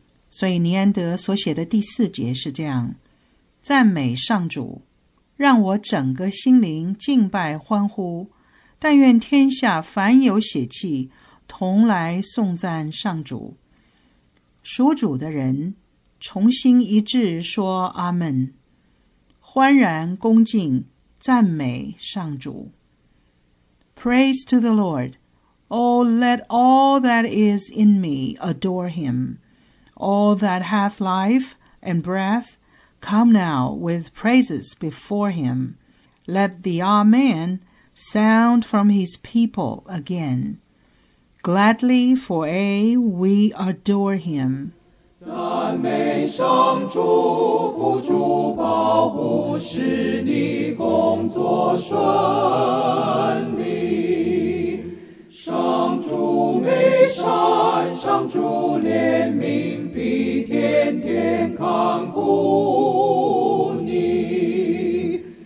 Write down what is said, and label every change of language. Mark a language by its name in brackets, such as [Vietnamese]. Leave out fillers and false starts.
[Chinese] 所以尼安德所写的第四节是这样，赞美上主，让我整个心灵敬拜欢呼，但愿天下凡有血气同来颂赞上主，属主的人重新一致说阿们，欢然恭敬赞美上主。 [English] Praise to the LordOh, let all that is in me adore him. All that hath life and breath, come now with praises before him. Let the Amen sound from his people again. Gladly for A, we adore him. [Chinese] 赞美上主，扶助保护，使你工作顺利。上主美善，上主怜悯，必天天看顾你。